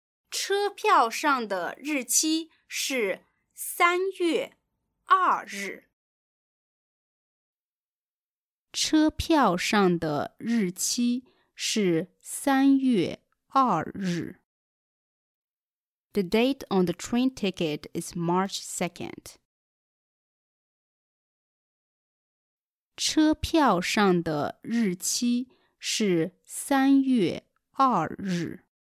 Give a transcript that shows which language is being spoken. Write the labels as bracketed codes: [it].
[zh] 车票上的日期是三月二日。车票上的日期是三月二日。 [en] The date on the train ticket is March 2nd. [zh] 车票上的日期是三月二日。